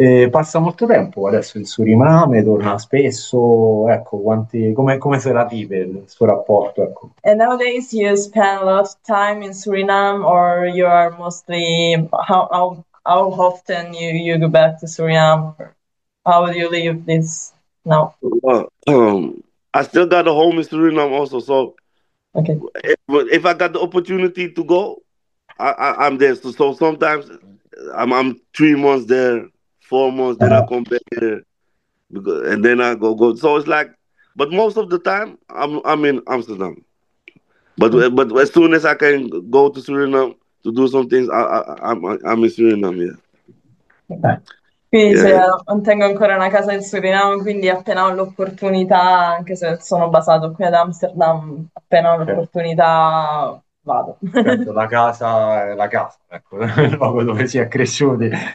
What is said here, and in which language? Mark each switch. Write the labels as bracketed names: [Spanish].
[Italian] Passa molto tempo adesso in Suriname, torna spesso, ecco, come se la vive il suo rapporto, ecco. [English] And nowadays you spend a lot of time in Suriname, or you are mostly how often you go back to Suriname? How do you live this now? I still got a home in Suriname also, so Okay. if I got the opportunity to go, I'm there. So sometimes I'm 3 months there, 4 months, then I come back here, because, and then I go. So it's like, but most of the time I'm in Amsterdam. But as soon as I can go to Suriname to do some things, I'm in Suriname. [Italian] Quindi se mantengo ancora una casa in Suriname, quindi appena ho l'opportunità, anche se sono basato qui ad Amsterdam, appena ho l'opportunità vado. Certo, la casa è la casa, ecco, il luogo dove si è cresciuti.